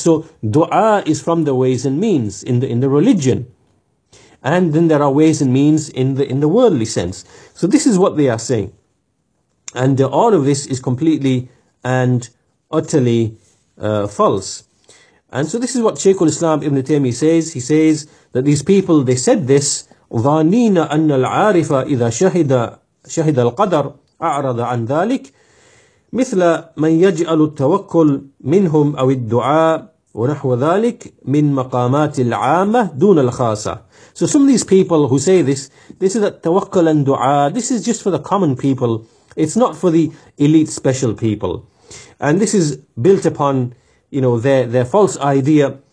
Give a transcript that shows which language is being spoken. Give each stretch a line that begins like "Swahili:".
English: So dua is from the ways and means in the religion. And then there are ways and means in the worldly sense. So this is what they are saying. And all of this is completely and utterly false. And so this is what Shaykh al-Islam Ibn Taymiyyah says. He says that these people, they said this,
Arabic: ظَانِينَ أَنَّ الْعَارِفَ إِذَا شَهِدَ الْقَدَرَ أَعْرَضَ عَنْ ذَلِكَ مِثْلَ مَنْ يَجْعَلُ التَّوَكُّلْ مِنْهُمْ أَوِ الدُّعَاءُ وَنَحْوَ ذَلِكَ مِنْ مَقَامَاتِ الْعَامَةِ دُونَ الْخَاسَةِ.
English: So some of these people who say this, they say that tawakkul and dua, this is just for the common people. It's not for the elite special people. And this is built upon, their false idea.